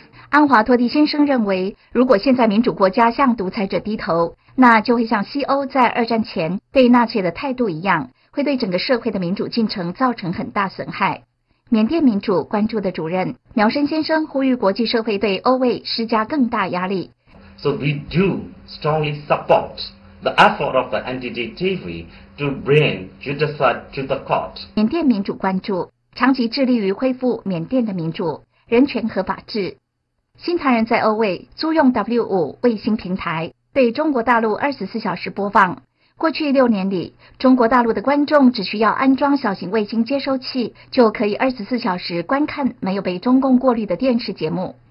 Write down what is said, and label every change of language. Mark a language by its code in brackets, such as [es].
[zh] 安华托蒂先生认为，如果现在民主国家向独裁者低头，那就会像西欧在二战前对纳粹的态度一样，会对整个社会的民主进程造成很大损害。缅甸民主关注的主任苗申先生呼吁国际社会对欧卫施加更大压力。 [en] So we do strongly support the effort of the NDDTV to bring genocide to the court. [zh] 缅甸民主关注长期致力于恢复缅甸的民主、人权和法治。新唐人在欧卫租用 W5 卫星平台，对中国大陆24小时播放。过去6年里，中国大陆的观众只需要安装小型卫星接收器，就可以24小时观看没有被中共过滤的电视节目。